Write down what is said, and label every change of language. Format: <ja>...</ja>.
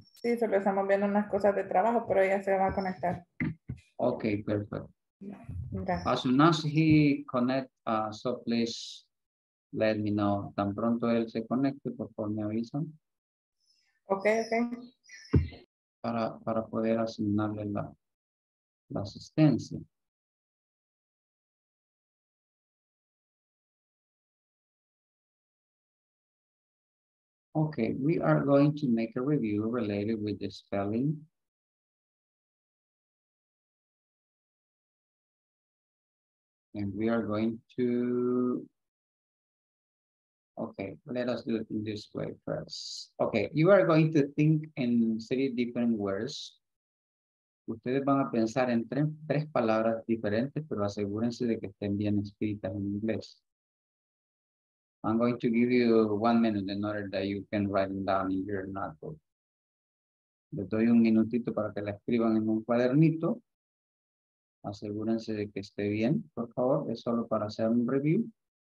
<es>Sí, solo estamos viendo unas cosas de trabajo, pero ya se va a conectar.</es> <en>Okay, perfect.</en> <es>Gracias.</es> <en>As soon as he connects, so please let me know.</en> <es>Tan pronto él se conecte, por favor, me avisan.</es> <en>Okay, okay.</en> <es>Para poder asignarle la asistencia.</es> <en>Okay, we are going to make a review related with the spelling. And we are going to, okay, let us do it in this way first. Okay, you are going to think in three different words.</en> <es>Ustedes van a pensar en tres palabras diferentes, pero asegúrense de que estén bien escritas en inglés.</es> <en>I'm going to give you 1 minute in order that you can write down in your notebook.</en> <es>Les doy un minutito para que la escriban en un cuadernito. Asegúrense de que esté bien, por favor. Es solo para hacer un review.</es>